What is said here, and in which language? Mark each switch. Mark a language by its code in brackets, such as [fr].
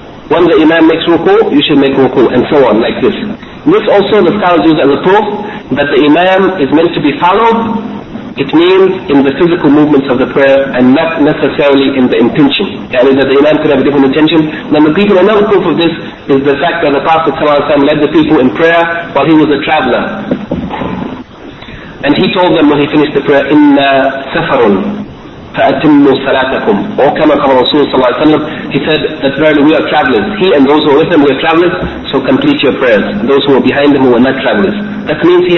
[en] When the imam makes ruku, you should make ruku, and so on, like this. This also the scholars use as a proof that the imam is meant to be followed. It means in the physical movements of the prayer and not necessarily in the intention. That is, that the imam could have a different intention. Then the people, another proof of this is the fact that the Prophet ﷺ led the people in prayer while he was a traveler. And he told them when he finished the prayer, [ar] إِنَّا سَفَرٌ فَأَتِمُّوا صَلَاتَكُمْ وَكَمَا قَالَ رَسُولُ صَلَّى اللَّهُ عَلَيْهِ وَسَلَّمَ. [en] He said that verily we are travelers. He and those who are with him, we are travelers, so complete your prayers. Those who were behind him who were not travelers. That means he had